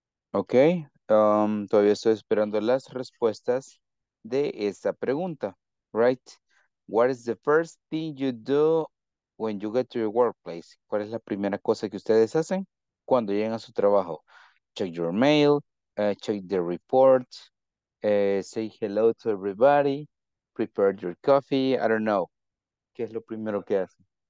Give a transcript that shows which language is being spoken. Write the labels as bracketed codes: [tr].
[es] Okay, todavía estoy esperando las respuestas de esta pregunta, right? [en] What is the first thing you do when you get to your workplace? [es] ¿Cuál es la primera cosa que ustedes hacen cuando llegan a su trabajo? [en] Check your mail, check the report, say hello to everybody, prepare your coffee, I don't know. [es] ¿Qué es lo primero que hacen?